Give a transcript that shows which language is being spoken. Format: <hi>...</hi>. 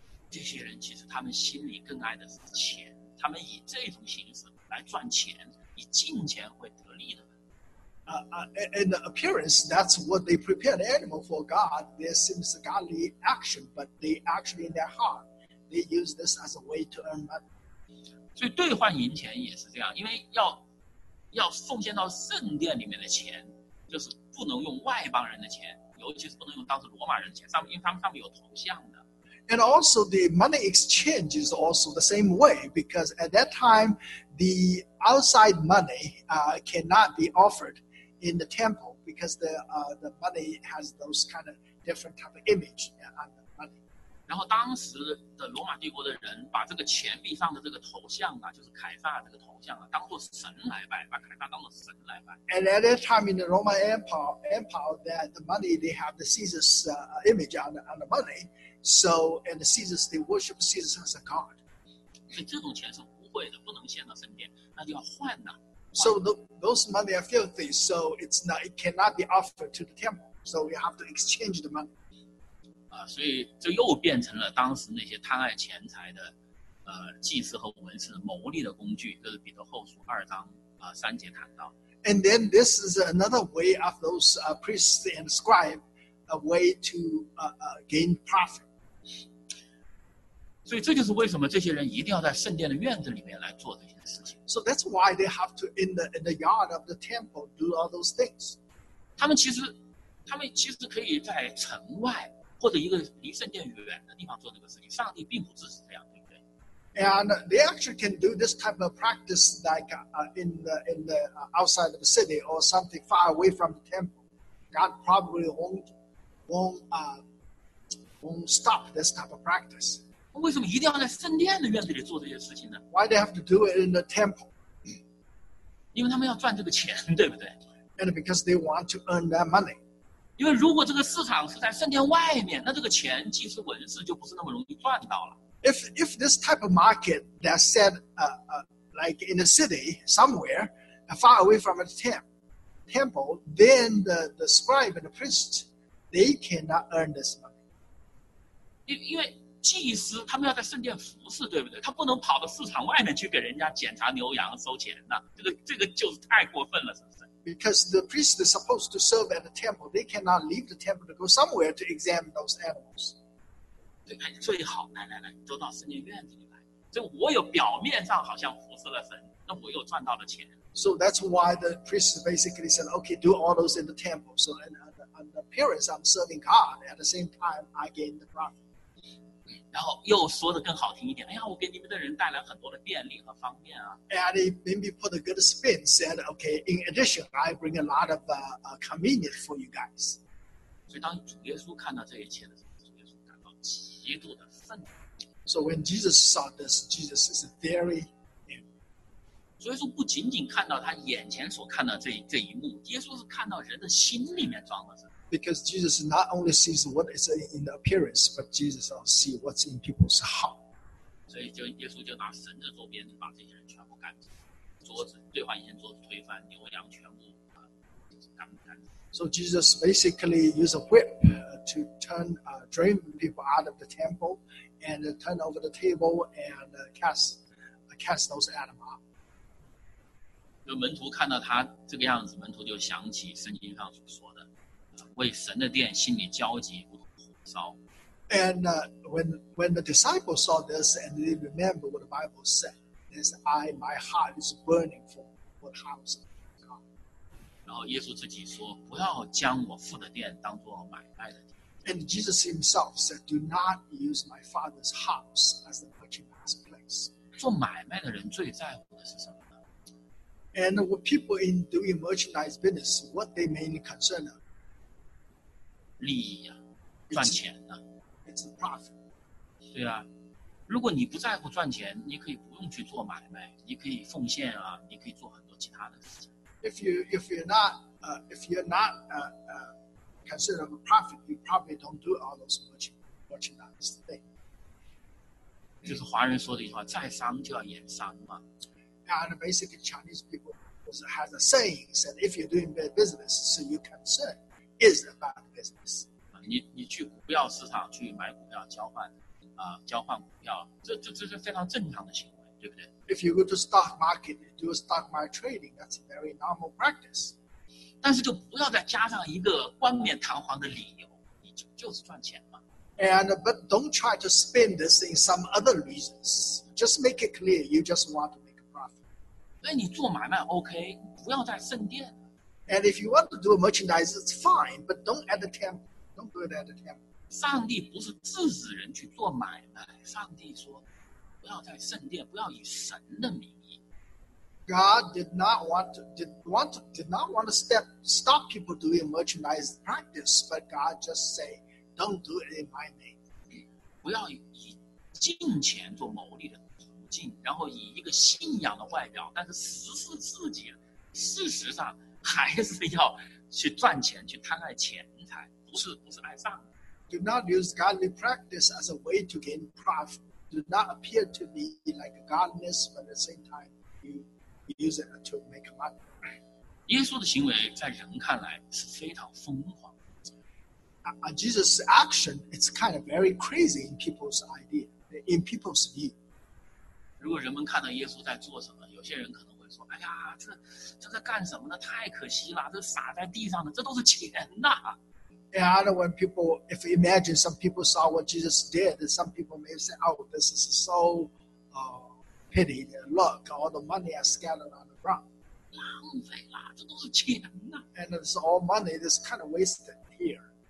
<zh>这些人其实他们心里更爱的是钱，他们以这种形式来赚钱，以金钱会得利的。</zh> <en>In the appearance, that's what they prepare the animal for God. This seems a godly action, but they actually in their heart. They use this as a way to earn money.</en> <zh>所以兑换银钱也是这样，因为要奉献到圣殿里面的钱，就是不能用外邦人的钱，尤其是不能用当时罗马人的钱，上面因为他们上面有铜像的。</zh> <en>And also the money exchange is also the same way because at that time the outside money cannot be offered in the temple because the money has those kind of different type of image. Yeah.</en> <zh>然后当时的罗马帝国的人把这个钱币上的这个头像啊，就是凯撒这个头像啊，当作神来拜，把凯撒当作神来拜。</zh> <en>And at that time in the Roman Empire, that the money they have the Caesar's image on the money, so and the Caesar's they worship Caesar as a god.</en> <zh>所以这种钱是污秽的，不能献到圣殿，那就要换呐。</zh> <en>So those money are filthy, so it cannot be offered to the temple. So we have to exchange the money.</en> <zh>所以这又变成了当时那些贪爱钱财的祭司和文士牟利的工具，这是彼得后书二章三节谈到。</zh> <en>And then this is another way of those priests and scribes, a way to gain profit.</en> <zh>所以这就是为什么这些人一定要在圣殿的院子里面来做这些事情。</zh> <en>So that's why they have to in the yard of the temple do all those things.</en> <zh>他们其实可以在城外。或者一个离圣殿远的地方做这个事情，上帝并不支持这样，对不对</zh> <en>？And they actually can do this type of practice like in the outside of the city or something far away from the temple. God probably won't stop this type of practice.</en> <zh>为什么一定要在圣殿的院子里做这些事情呢</zh> <en>？Why they have to do it in the temple?</en> <zh>因为他们要赚这个钱，对不对</zh> <en>？And because they want to earn that money.</en> <zh>因为如果这个市场是在圣殿外面，那这个钱祭司文士就不是那么容易赚到了。</zh> <en>If this type of market that said like in a city somewhere far away from a temple, then the scribe and the priest they cannot earn this money.</en> <zh>因为祭司他们要在圣殿服事，对不对？他不能跑到市场外面去给人家检查牛羊收钱呢。这个就是太过分了，是不是？</zh> <en>Because the priest is supposed to serve at the temple, they cannot leave the temple to go somewhere to examine those animals.</en> <zh>最好来，都到圣殿院子里来。所以我有表面上好像服侍了神，那我又赚到了钱。</zh> <en>So that's why the priest basically said, "Okay, do all those in the temple." So in the appearance, I'm serving God. At the same time, I gain the profit.</en> <zh>然后又说的更好听一点，哎呀，我给你们的人带来很多的便利和方便啊。</zh> <en>And he maybe put a good spin, said, okay, in addition, I bring a lot of convenience for you guys.</en> <zh>所以当主耶稣看到这一切的时候，主耶稣感到极度的愤怒。</zh> <en>So when Jesus saw this, Jesus is very angry.</en> <zh>主耶稣不仅仅看到他眼前所看到这一幕，耶稣是看到人的心里面装的是。</zh> <en>Because Jesus not only sees what is in the appearance, but Jesus also sees what's in people's heart.</en> <zh>所以就耶稣就拿绳子周边把这些人全部赶走，桌子兑换银桌子推翻，牛羊全部赶。</zh> <en>So Jesus basically used a whip to turn drain people out of the temple and turn over the table and cast those animals.</en> <zh>就门徒看到他这个样子，门徒就想起圣经上所说的。为神的殿心里焦急如同火烧。</zh> <en>And when the disciples saw this and they remember what the Bible said, this I my heart is burning for the house of God.</en> <zh>然后耶稣自己说，不要将我父的殿当作买卖的地。</zh> <en>And Jesus himself said, do not use my father's house as the merchant's place.</en> <zh>做买卖的人最在乎的是什么呢</zh> <en>？And what people in doing merchandise business, what they mainly concern of?</en> <zh>利益啊，赚钱啊</zh> <en>it's a profit.</en> <zh>对啊，如果你不在乎赚钱，你可以不用去做买卖，你可以奉献啊，你可以做很多其他的事情。</zh> <en>If you're not considered a prophet, you probably don't do all those merchandise things.</en> <zh>就是华人说的一句话，在商就要演商嘛。</zh> <en>And basically, Chinese people has a saying said, if you're doing bad business, so your concern is about business.</en> <zh>你去股票市场去买股票交换。交换股票，这是非常正常的行为，对不对</zh> <en>？If you go to stock market, do stock market trading, that's a very normal practice.</en> <zh>但是就不要再加上一个冠冕堂皇的理由，你就是赚钱嘛。</zh> <en>And but don't try to spin this in some other reasons. Just make it clear you just want to make a profit.</en> <zh>那你做买卖 OK， 不要再圣殿。</zh> <en>And if you want to do a merchandise, it's fine, but don't at the temple. Don't do it at the temple.</en> <zh>上帝不是制止人去做买卖，上帝说不要在圣殿，不要以神的名义。</zh> <en>God did not want to stop people doing merchandise practice, but God just say don't do it in my name.</en> <zh>不要以金钱做牟利的途径，然后以一个信仰的外表，但是实是自己事实上还是要去赚钱，去贪爱钱财，不是爱上帝。</zh> <en>Do not use godly practice as a way to gain profit. Do not appear to be like a godless, but at the same time, you use it to make money.</en> <zh>耶稣的行为在人看来是非常疯狂。</zh> <en>Jesus' action is kind of very crazy in people's idea, in people's view.</en> <zh>如果人们看到耶稣在做什么，有些人可能会说：“哎呀，这在干什么呢？太可惜了，这洒在地上的，这都是钱呐。”</zh> <en>And when people, if you imagine some people saw what Jesus did, some people may say, oh, this is so pity. Look, all the money is scattered on the ground.</en> <zh>浪费了，这都是钱啊。</zh> <en>And it's all money that's kind of wasted here.</en>